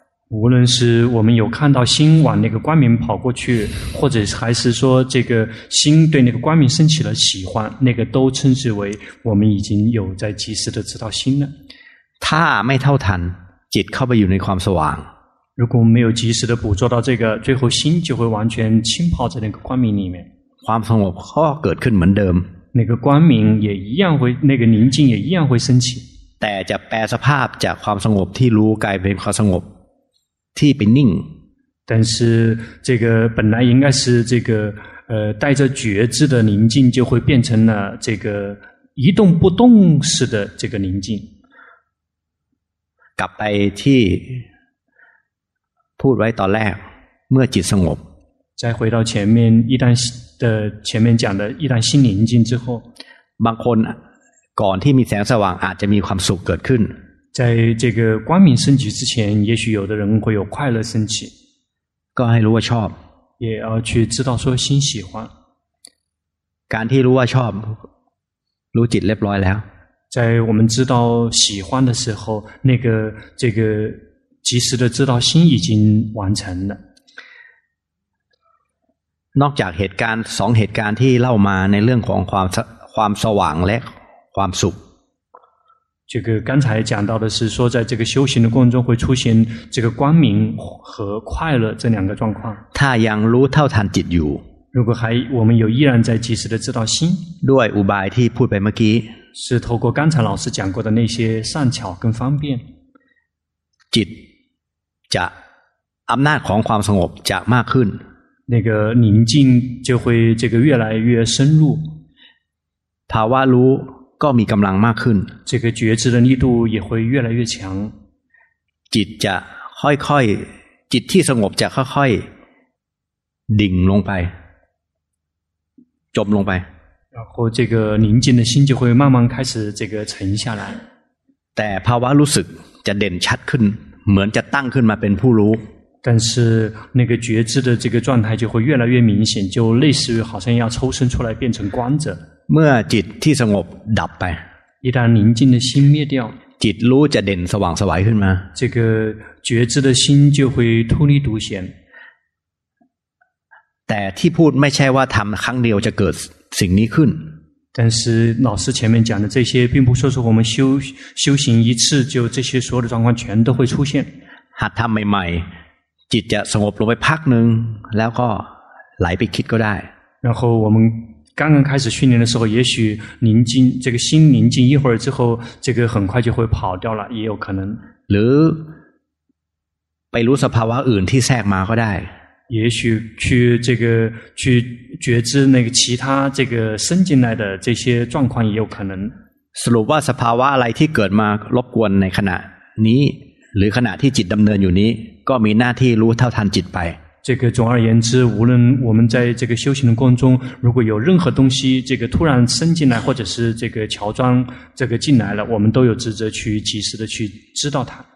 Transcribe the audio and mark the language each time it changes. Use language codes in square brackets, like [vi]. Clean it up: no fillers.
[zh] 无论是我们有看到心往那个光明跑过去或者还是说这个心对那个光明升起了喜欢那个都称之为我们已经有在及时的知道心了他 [th] ไม่เท่าทันจิตเข้าไปอยู่ในความสว่าง [zh] 如果没有及时的捕捉到这个最后心就会完全浸泡在那个光明里面 [th] ความสงบก็เกิดขึ้นเหมือนเดิม [zh] 那个光明也一样会那个宁静也一样会升起 [th] แต่จะแปลสภาพจากความสงบที่รู้กลายเป็นความสงบที่เป็นนิ่ง [zh] 但是这个本来应该是这个带着觉知的宁静就会变成了这个一动不动式的这个宁静 [th] กลับไปที่พูดไว้ตอนแรกเมื่อจิตสงบ [zh] 再回到前面一旦的前面讲的一旦心宁静之后 [th] บางคนก่อนที่มีแสงสว่างอาจจะมีความสุขเกิดขึ้น [zh] 在这个光明升起之前也许有的人会有快乐升起 [th] ก็ให้รู้ว่าชอบ [zh] 也要去知道说心喜欢 [th] การที่รู้ว่าชอบรู้จิตเรียบร้อยแล้ว [zh] 在我们知道喜欢的时候那个这个及时的知道心已经完成了 [th] นอกจากเหตุการณ์สองเหตุการณ์ที่เล่ามาในเรื่องของความสว่างและความสุข [zh] 这个刚才讲到的是说在这个修行的过程中会出现这个光明和快乐这两个状况 [th] ถ้ายังรู้เท่าทันจิตอยู่ [zh] 如果还我们有依然在及时的知道心 [th] ด้วยอุบายที่พูดไปเมื่อกี้ [zh] 是透过刚才老师讲过的那些善巧跟方便 [th] จิตจะอำนาจของความสงบจะมากขึ้น [zh] 那个宁静就会这个越来越深入 [th] ภาวะรู้ก็มีกำลังมากขึ้น [zh] 这个觉知的力度也会越来越强 [th] จิตจะค่อยๆจิตที่สงบจะค่อยๆดิ่งลงไปจมลงไป [zh] 然后这个宁静的心就会慢慢开始这个沉下来 [th] แต่ภาวะรู้สึกจะเด่นชัดขึ้นเหมือนจะตั้งขึ้นมาเป็นผู้รู้ [zh] 但是那个觉知的这个状态就会越来越明显就类似于好像要抽身出来变成观者 [th] เมื่อจิตที่สงบดับไป [zh] 一旦宁静的心灭掉 [th] จิตรู้จะเด่นสว่างสวายขึ้นมา [zh] 这个觉知的心就会突立独显 [th] แต่ที่พูดไม่ใช่ว่าทำครั้งเดียวจะเกิดสิ่งนี้ขึ้น [zh] 但是老师前面讲的这些并不说是我们修行一次就这些所有的状况全都会出现 [th] หัดทำใหม่ๆจิตจะสงบลงไปพักนึงแล้วก็ไหลไปคิดก็ได้ [zh] 然后我们刚刚开始训练的时候也许宁静这个心宁静一会儿之后这个很快就会跑掉了也有可能 [th] หรือไปรู้สภาวะอื่นที่แทรกมาก็ได้ [zh] 也许去这个去觉知那个其他这个伸进来的这些状况也有可能 [th] สรุปว่าสภาวะอะไรที่เกิดมารบกวนในขณะนี้หรือขณะที่จิตดำเนินอยู่นี้ก็มีหน้าที่รู้เท่าทันจิตไป [zh] 这个总而言之，无论我们在这个修行的过程中，如果有任何东西这个突然伸进来，或者是这个乔装这个进来了，我们都有职责去及时的去知道它。